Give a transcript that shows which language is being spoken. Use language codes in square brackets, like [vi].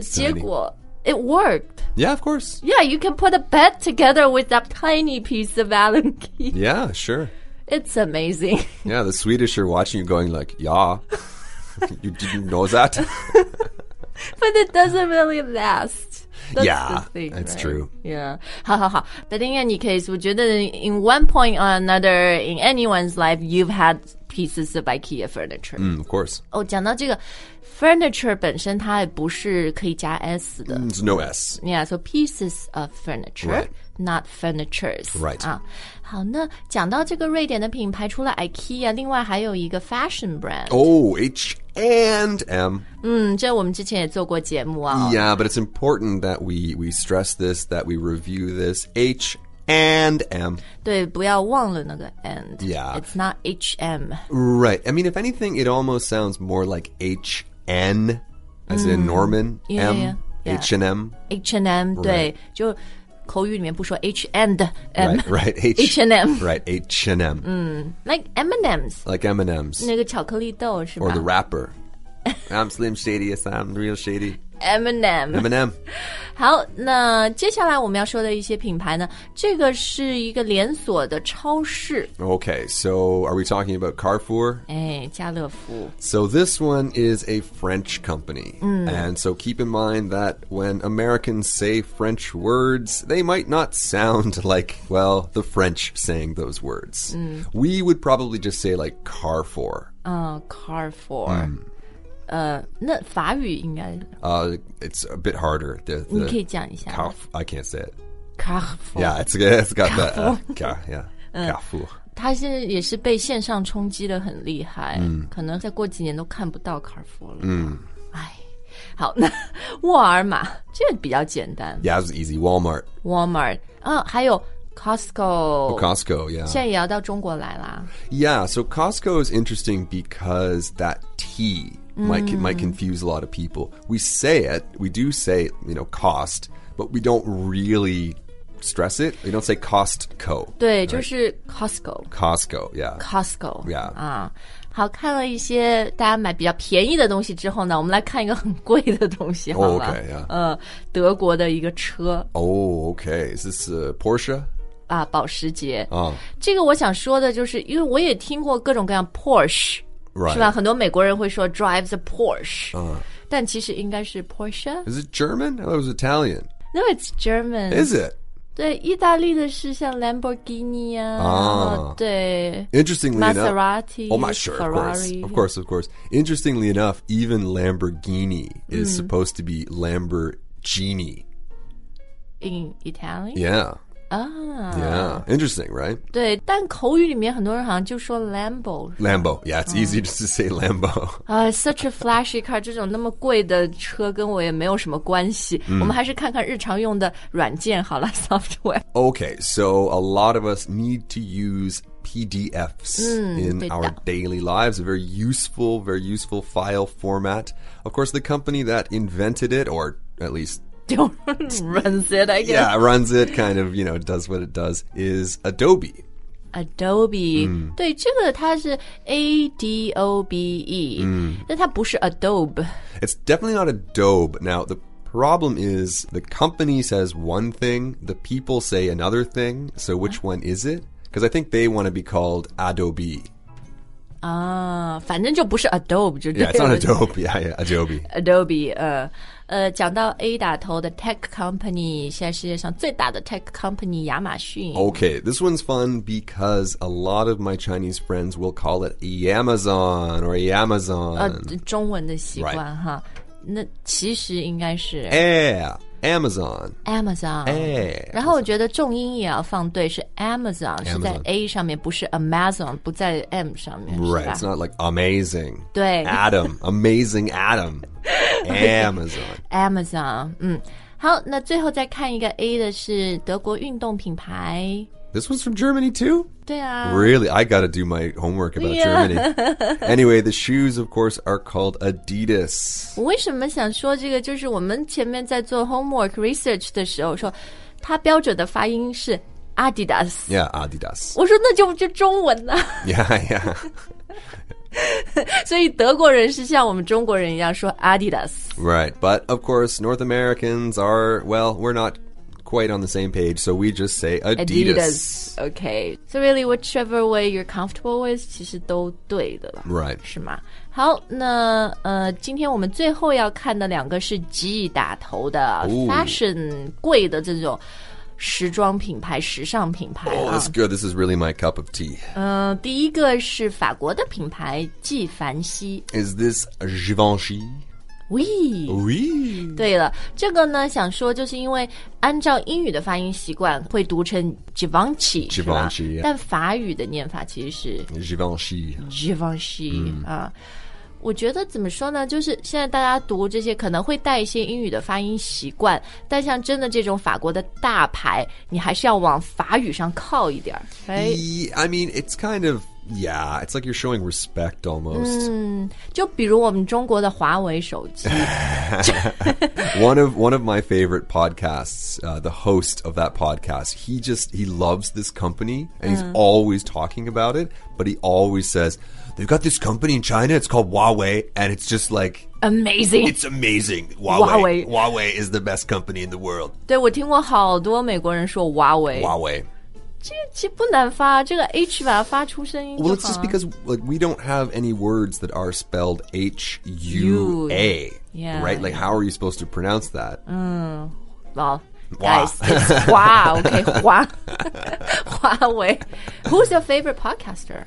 [zh] 结果 [en] it worked. Yeah, of course. Yeah, you can put a bed together with that tiny piece of Allen key. Yeah, sure. It's amazing. Yeah, the Swedish are watching you going like, yeah, you didn't know that? But it doesn't really last. That's true. Yeah. [zh] 好好好 [en] But in any case, [zh] 我觉得 [en] in one point or another, in anyone's life, you've had pieces of IKEA furniture. Mm, of course. [zh] Oh, 讲到这个 furniture 本身它不是可以加 S 的。 [en] It's no S. Yeah, so pieces of furniture,、 right. not furnitures. Right.、 [zh] 好那讲到这个瑞典的品牌除了 IKEA, 另外还有一个 [en] fashion brand. Oh, H&M. [zh] 这我们之前也做过节目啊、哦。 [en] Yeah, but it's important that we stress this, that we review this. H&M. [zh] 对不要忘了那个 and. [en] Yeah. It's not H&M. Right. I mean, if anything, it almost sounds more like H-N, as、in Norman. Yeah, H&M. [zh] H&M, 对、 [en] right. [zh] 就口语里面不说 H&M. [en] Right, H&M. Right, H&M. Like M&M's. Like M&M's. [zh] 那个巧克力豆是吧 [en] Or the rapper. I'm Slim Shady, yes, I'm real shady. [zh] M&M 好那接下来我们要说的一些品牌呢这个是一个连锁的超市 [en] Okay, so are we talking about Carrefour? [zh] 家乐福 [en] So this one is a French company、And so keep in mind that when Americans say French words They might not sound like, well, the French saying those words、We would probably just say like Carrefour [zh] Carrefour、那法语应该 [en] It's a bit harder. The [zh] 你可以讲一下 [en] I can't say it. Carrefour. Yeah, it's got the Carrefour. [zh] 它现在也是被线上冲击的很厉害，可能再过几年都看不到 Carrefour 了。好，那沃尔玛这比较简单。 [en] Yeah, it's easy. Walmart. [zh] Walmart. 还有。Costco. [en] Oh, Costco, yeah. [zh] 现在也要到中国来啦。 [en] Yeah, so Costco is interesting because that T、might confuse a lot of people. We say it, we do say, you know, cost, but we don't really stress it. We don't say Costco. [zh] 对、 [en] right? [zh] 就是 Costco. [en] Costco, yeah. Costco. Yeah.、 [zh] 好看了一些大家买比较便宜的东西之后呢我们来看一个很贵的东西好了。 [en] Oh, okay, yeah. [zh] 德国的一个车。 [en] Oh, okay. Is this Porsche? [zh] 啊保时捷、这个我想说的就是因为我也听过各种各样 Porsche、 [en] right. [zh] 是吧很多美国人会说 [en] drives a Porsche、 [zh] 但其实应该是 Porsche [en] Is it German? I thought it was Italian No, it's German Is it? [zh] 对意大利的是像 Lamborghini 啊、对 [en] Interestingly Maserati, enough Maserati Oh my sure, Ferrari, of course Interestingly enough even Lamborghini is、supposed to be Lamborghini In Italian? Yeah Oh. Yeah, interesting, right? [zh] 对但口语里面很多人好像就说 Lambo [en] Lambo, yeah, it's easy just to say Lambo Such a flashy car [zh] 这种那么贵的车跟我也没有什么关系、我们还是看看日常用的软件好了 software [en] Okay, so a lot of us need to use PDFs、in our daily lives A very useful file format Of course, the company that invented it or at least runs it, I guess. Yeah, runs it, kind of, you know, does what it does, is Adobe. [zh] Adobe.、对,这个它是 A-D-O-B-E,、但它不是 Adobe. [en] It's definitely not Adobe. Now, the problem is the company says one thing, the people say another thing, so which one is it? Because I think they want to be called Adobe. [zh] 反正就不是 Adobe, 就对了。 [en] Yeah, it's not Adobe, yeah, Adobe. [zh] Adobe, 讲到 A 打头的 tech company, 现在世界上最大的 tech company, 亚马逊。 [en] Okay, this one's fun because a lot of my Chinese friends will call it Amazon or Amazon. [zh] 中文的习惯、 [en] right. [zh] 哈。那其实应该是。 [en] Yeah. Amazon. Amazon. Hey, [zh] 然后我觉得重音也要放对是 Amazon, 是在 A 上面不是 Amazon, 不在 M 上面。 [en] Right, it's not like amazing. [zh] 对。 [en] Adam, amazing Adam. Amazon. [zh] Amazon, 好那最后再看一个 A 的是德国运动品牌。 [en] This one's from Germany too? [zh] 对啊。 [en] Really, I gotta do my homework about、 yeah. Germany. Anyway, the shoes, of course, are called Adidas. [zh] 我为什么想说这个就是我们前面在做 homework research 的时候说它标准的发音是 Adidas. [en] Yeah, Adidas. [zh] 我说那就中文呢、 [en] Yeah, yeah. [zh] 所以德国人是像我们中国人一样说 Adidas. [en] Right, but of course, North Americans are, well, we're not quite on the same page, so we just say Adidas. Okay. So really, whichever way you're comfortable with, [zh] 其实都对的了。 [en] Right. [zh] 是吗？好，那今天我们最后要看的两个是 G 打头的 fashion 贵的这种时装品牌、时尚品牌。 [en] Oh, that's good. This is really my cup of tea. [zh] 第一个是法国的品牌纪梵希。 [en] Is this Givenchy? [fr] Oui. [zh] 对了，这个呢，想说就是因为按照英语的发音习惯会读成 Givenchy, [en] Givenchy、 [zh] yeah. 但法语的念法其实是 Givenchy Givenchy、mm. 我觉得怎么说呢，就是现在大家读这些可能会带一些英语的发音习惯，但像真的这种法国的大牌，你还是要往法语上靠一点、 [en] right? I mean, it's kind ofYeah, it's like you're showing respect almost. [zh] 就比如我们中国的华为手机。 [en] one of my favorite podcasts, the host of that podcast, he loves this company and he's always talking about it, but he always says, they've got this company in China, it's called Huawei, and it's just like... Amazing. It's amazing. Huawei. Huawei is the best company in the world. [zh] 对，我听过好多美国人说Huawei。 [en] Huawei. [zh] 这不难发，这个 H 把它发出声音就好。 [en] Well, it's just because like, we don't have any words that are spelled H-U-A. Yeah. Right? Like, how are you supposed to pronounce that? Well, guys, wow. Okay, Huawei. Who's your favorite podcaster?